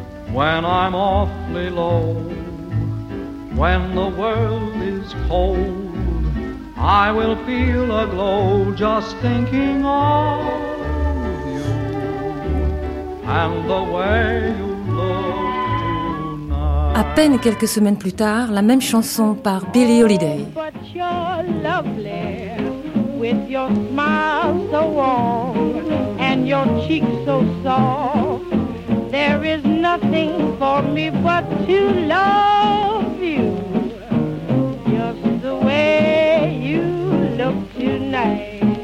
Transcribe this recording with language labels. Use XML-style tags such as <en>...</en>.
<en>When I'm awfully low, when the world is cold, I will feel a glow just thinking of you and the way you look tonight.</en> <fr>À peine quelques semaines plus tard, la même chanson par Billie Holiday.</fr> <en>But you're lovely with your smile so warm and your cheeks so soft. There is nothing for me but to love you just the way you look tonight.</en>